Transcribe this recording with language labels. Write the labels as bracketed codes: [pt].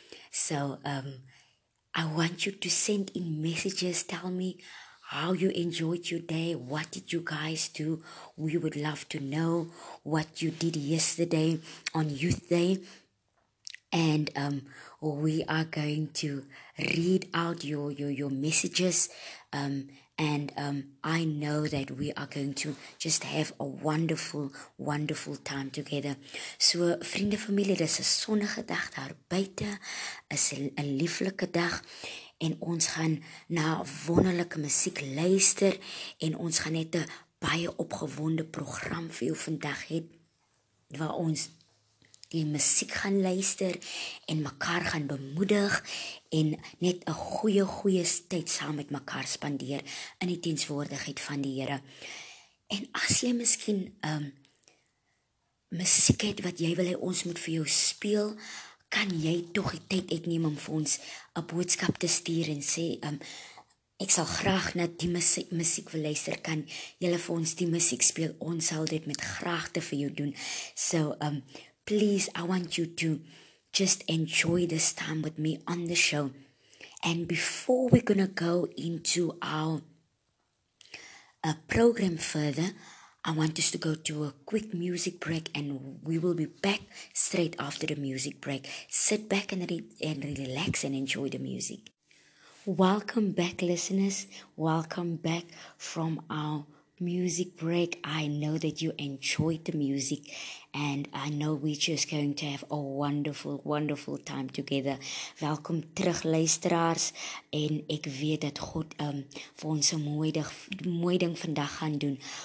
[en] So, I want you to send in messages, tell me how you enjoyed your day, what did you guys do, we would love to know what you did yesterday on Youth Day, and we are going to read out your messages, and I know that we are going to just have a wonderful, wonderful time together. [af] So, vriende, familie, dit is 'n sonnige dag daar buite, is 'n lieflike dag, en ons gaan na wonderlike musiek luister, en ons gaan net 'n baie opgewonde program vir jou vandag hê, waar ons die musiek gaan luister, en mekaar gaan bemoedig, en net 'n goeie tyd saam met mekaar spandeer, in die teenswoordigheid van die Here. En as jy miskien musiek het, wat jy wil hê ons moet vir jou speel, kan jy tog die tyd uitneem om vir ons 'n boodskap te stuur, en sê, ek sal graag na die musiek wil luister, kan jylle vir ons die musiek speel, ons sal dit met graagte vir jou doen. [en] So, please, I want you to just enjoy this time with me on the show. And before we're going to go into our program further, I want us to go to a quick music break, and we will be back straight after the music break. Sit back and relax and enjoy the music. Welcome back, listeners. Welcome back from our music break. I know that you enjoyed the music, and I know we're just going to have a wonderful, wonderful time together. [af] Welkom terug, luisteraars, en ek weet dat God vir ons 'n mooi ding vandag gaan doen.